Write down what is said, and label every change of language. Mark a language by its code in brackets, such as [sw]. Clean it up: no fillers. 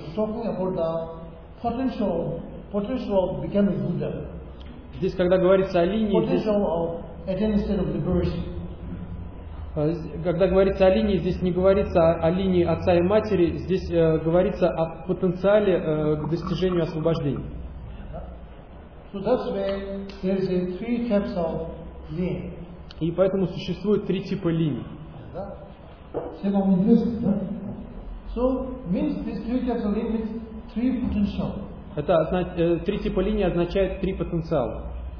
[en] It's talking about the potential of becoming Buddha. [ru] Здесь, когда говорится о линии, [en] potential of attaining state of liberation. [ru] Когда говорится о линии, здесь не говорится о линии отца и матери, здесь говорится о потенциале к достижению освобождения. [en] So that's why there is three types of line. [ru] И поэтому существует три типа линий. [en] So means these three types of line means three potential. [ru] Это три типа линий означает три потенциала.